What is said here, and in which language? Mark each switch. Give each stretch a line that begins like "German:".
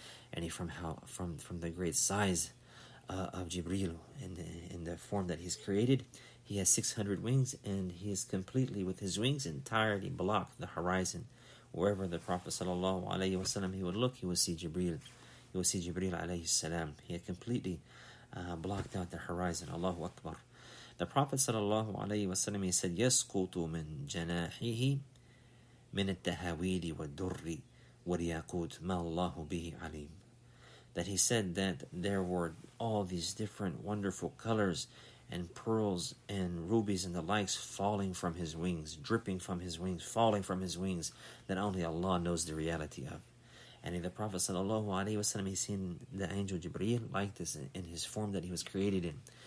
English: And from the great size of Jibreel in the form that he's created, he has 600 wings, and he is completely, with his wings, entirely blocked the horizon. Wherever the Prophet sallallahu alayhi wasallam he would look, he would see Jibreel. He would see Jibreel alayhi salam. He had completely blocked out the horizon. Allahu Akbar. The Prophet sallallahu alayhi wasallam, he said,
Arabic: يَسْقُطُ مِنْ جَنَاحِهِ مِنَ التَّهَوِيدِ وَالدُّرِّ وَالْيَاقُوتِ مَا اللَّهُ بِهِ عَلِيمٌ.
English: That he said that there were all these different wonderful colors and pearls and rubies and the likes falling from his wings, dripping from his wings, falling from his wings, that only Allah knows the reality of. And the Prophet sallallahu alayhi wasallam, he seen the angel Jibreel like this in his form that he was created in.